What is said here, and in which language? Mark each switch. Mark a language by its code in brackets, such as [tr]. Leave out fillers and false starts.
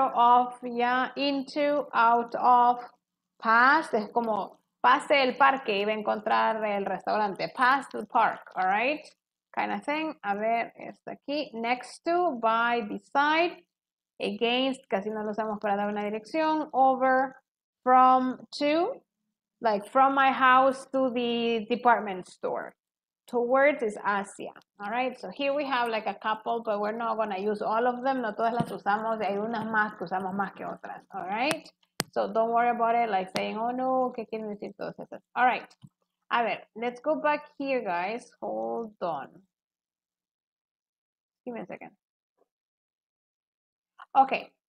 [en] Off, yeah, into, out of, past, [es] es como pase el parque y va a encontrar el restaurante. [en] Past the park, all right? Kind of thing. [es] A ver, está aquí. [en] Next to, by, beside, against, [es] casi no lo usamos para dar una dirección. [en] Over, from, to. Like from my house to the department store. Towards is hacia. All right. So here we have like a couple, but we're not going to use all of them. [es] No todas las usamos. Hay unas más que usamos más que otras. [en] All right. So don't worry about it. Like saying, oh no, [es] ¿qué quieren decir todos estos? [en] All right. [es] A ver, [en] let's go back here, guys. Hold on. Give me a second. Okay.